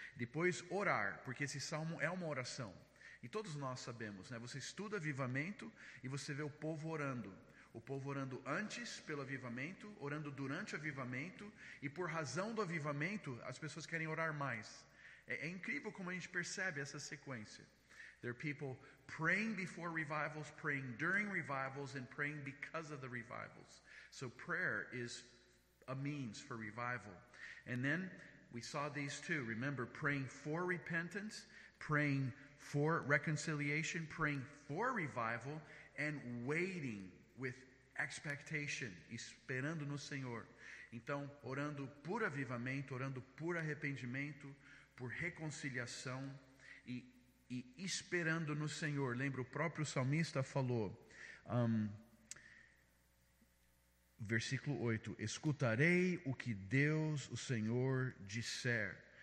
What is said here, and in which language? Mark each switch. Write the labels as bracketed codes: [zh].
[pt] Depois, orar, porque esse salmo é uma oração. E todos nós sabemos, né? Você estuda avivamento e você vê o povo orando. O povo orando antes pelo avivamento, orando durante o avivamento, e por razão do avivamento, as pessoas querem orar mais. É incrível como a gente percebe essa sequência. [en] There are people praying before revivals, praying during revivals, and praying because of the revivals. So prayer is a means for revival. And then we saw these two. Remember, praying for repentance, praying for reconciliation, praying for revival, and waiting with expectation, [pt] esperando no Senhor. Então, orando por avivamento, orando por arrependimento, por reconciliação e esperando no Senhor. Lembra, o próprio salmista falou, versículo 8, escutarei o que Deus, o Senhor, disser.